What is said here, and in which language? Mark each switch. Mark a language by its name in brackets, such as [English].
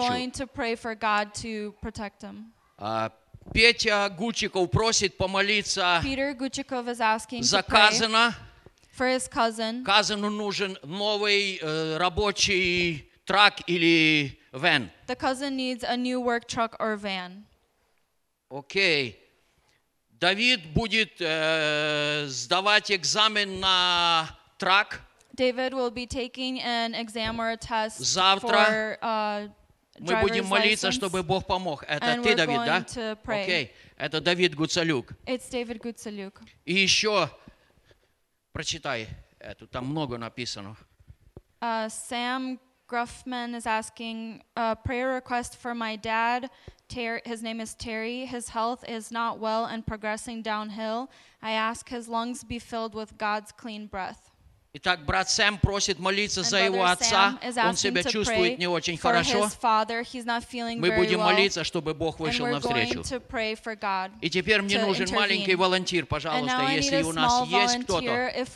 [English] And we're going to pray for God to protect him. [Russian] Петя Гучиков просит помолиться. [English] Peter Guchikov is asking [Russian] за Казана. [English] For his cousin. [Russian] Казану нужен новый рабочий трак или van. [English] The cousin needs a new work truck or van. Okay. [Russian] David будет сдавать экзамен на трак. [English] David will be taking an exam or a test [Russian] завтра [English] for [Russian] мы будем молиться, [English] license. [Russian] Чтобы Бог помог. Это [English] and [Russian] ты, Давид, да? [English] To pray. [Russian] Okay. Это Давид Гуцалюк. [English] It's David Гуцалюк. [Russian] И еще прочитай эту, там много написано. [English] Sam Gruffman is asking a prayer request for my dad. His name is Terry. His health is not well and progressing downhill. I ask his lungs be filled with God's clean breath. [Russian] Итак, брат Сэм просит молиться за его отца. Он себя чувствует не очень хорошо. Мы будем молиться, чтобы Бог вышел навстречу. И теперь мне нужен маленький волонтер, пожалуйста, если у нас есть кто-то.